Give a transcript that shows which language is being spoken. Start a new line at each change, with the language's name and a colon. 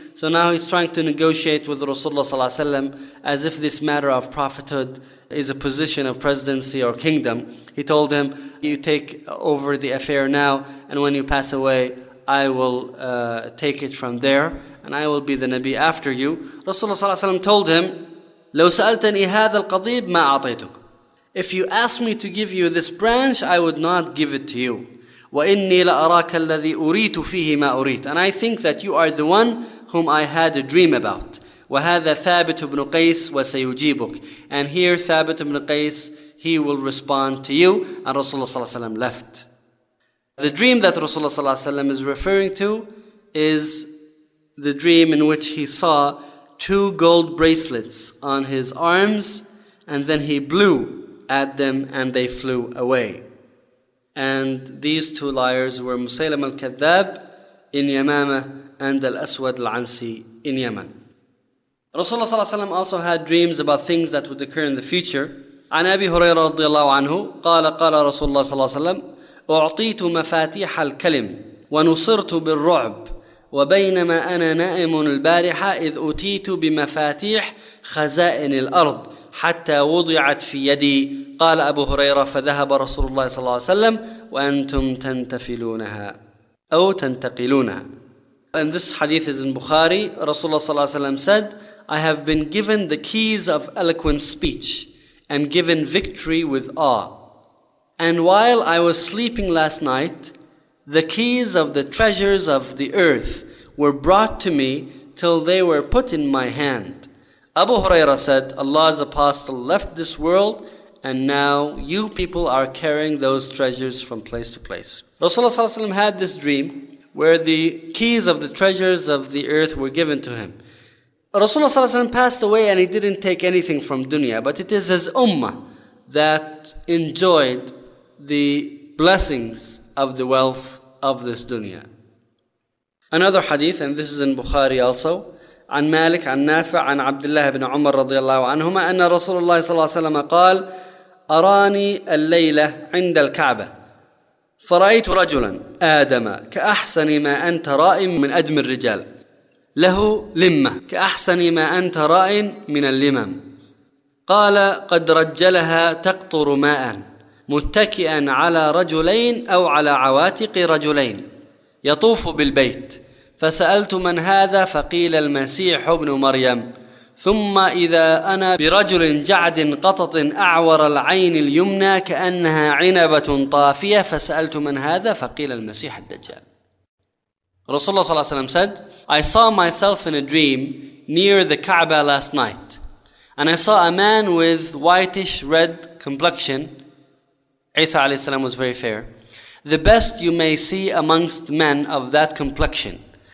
English: So now he's trying to negotiate with Rasulullah صلى الله عليه وسلم as if this matter of prophethood is a position of presidency or kingdom. He told him, you take over the affair now, and when you pass away, I will take it from there, and I will be the Nabi after you. Rasulullah صلى الله عليه وسلم told him,
Arabic: لو سألتني هذا القضيب ما أعطيتك.
English: If you ask me to give you this branch, I would not give it to you.
Arabic: وإني لأراك الذي أريت فيه ما أريت.
English: And I think that you are the one whom I had a dream about.
Arabic: وهذا ثابت بن قيس وسيجيبك.
English: And here ثابت بن قيس, he will respond to you. And Rasulullah صلى الله عليه وسلم left. The dream that Rasulullah صلى الله عليه وسلم is referring to is the dream in which he saw two gold bracelets on his arms and then he blew at them and they flew away. And these two liars were Musaylam al-Kadhab in Yamama and Al-Aswad Al-Ansi in Yemen. Rasulullah صلى الله عليه وسلم also had dreams about things that would occur in the future.
Arabic: عن أبي هريرة رضي الله عنه قال قال رسول الله صلى الله عليه وسلم أعطيت مفاتيح الكلم ونصرت بالرعب وبينما أنا نائم البارحة إذ أتيت بمفاتيح خزائن الأرض حتى وضعت في يدي. قال أبو هريرة فذهب رسول الله صلى الله عليه وسلم وأنتم تنتفلونها أو تنتقلونها.
English: And this hadith is in Bukhari. Rasulullah صلى الله عليه وسلم said, I have been given the keys of eloquent speech and given victory with awe. And while I was sleeping last night, the keys of the treasures of the earth were brought to me till they were put in my hand. Abu Hurairah said, Allah's apostle left this world and now you people are carrying those treasures from place to place. Rasulullah صلى الله عليه وسلم had this dream where the keys of the treasures of the earth were given to him. Rasulullah صلى الله عليه وسلم passed away and he didn't take anything from dunya, but it is his ummah that enjoyed the blessings of the wealth of this dunya. Another hadith, and this is in Bukhari also,
Arabic: عن مالك عن نافع عن عبد الله بن عمر رضي الله عنهما أن رسول الله صلى الله عليه وسلم قال أراني الليلة عند الكعبة فرأيت رجلا آدم كأحسن ما أنت رائم من أدم الرجال له لمة كأحسن ما أنت رائم من اللمم قال قد رجلها تقطر ماء متكئا على رجلين أو على عواتق رجلين يطوف بالبيت فسألت من هذا فقيل المسيح ابن مريم ثم إذا أنا برجل جعد قطط أعور العين اليمنى كأنها عنبة طافية فسألت من هذا فقيل المسيح الدجال.
English: رسول الله صلى الله عليه وسلم said, I saw myself in a dream near the Kaaba last night and I saw a man with whitish red complexion. Isa عليه السلام was very fair. The best you may see amongst men of that complexion.